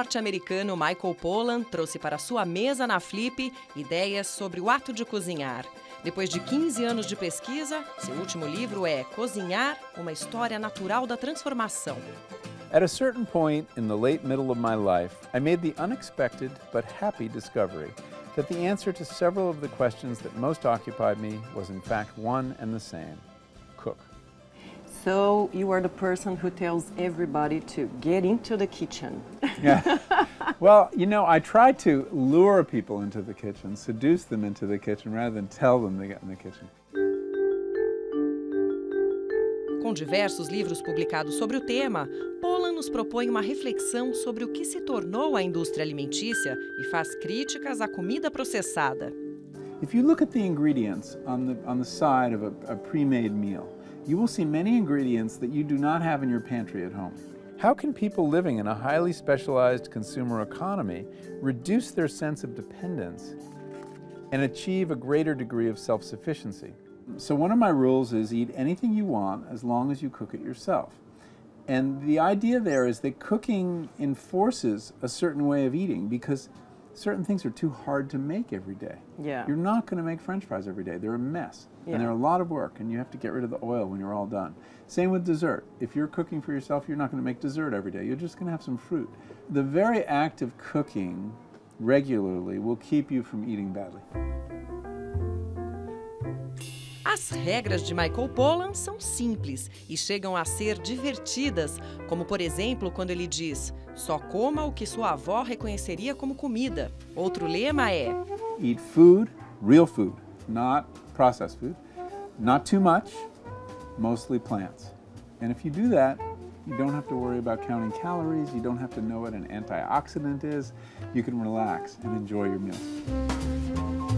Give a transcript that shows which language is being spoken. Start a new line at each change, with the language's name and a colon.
Portuguese: norte-americano Michael Pollan trouxe para sua mesa na Flip ideias sobre o ato de cozinhar. Depois de 15 anos de pesquisa, seu último livro é Cozinhar, uma história natural da transformação.
English: At a certain point in the late middle of my life, I made the unexpected but happy discovery that the answer to several of the questions that most occupied me was in fact one and the same. So you are the person who tells everybody to get into the kitchen. Yeah. Well, you know, I try to lure people into the kitchen, seduce them into the kitchen, rather than tell them to get in the kitchen.
Portuguese: Com diversos livros publicados sobre o tema, Pollan nos propõe uma reflexão sobre o que se tornou a indústria alimentícia e faz críticas à comida processada.
English: If you look at the ingredients on the side of a pre-made meal, you will see many ingredients that you do not have in your pantry at home. How can people living in a highly specialized consumer economy reduce their sense of dependence and achieve a greater degree of self-sufficiency? So one of my rules is eat anything you want as long as you cook it yourself. And the idea there is that cooking enforces a certain way of eating because certain things are too hard to make every day. Yeah. You're not going to make French fries every day. They're a mess. Yeah. And they're a lot of work, and you have to get rid of the oil when you're all done. Same with dessert. If you're cooking for yourself, you're not going to make dessert every day. You're just going to have some fruit. The very act of cooking regularly will keep you from eating badly.
Portuguese: As regras de Michael Pollan são simples e chegam a ser divertidas, como por exemplo quando ele diz: só coma o que sua avó reconheceria como comida. Outro lema é:
English: eat food, real food, not processed food, not too much, mostly plants. And if you do that, you don't have to worry about counting calories, you don't have to know what an antioxidant is, you can relax and enjoy your meals.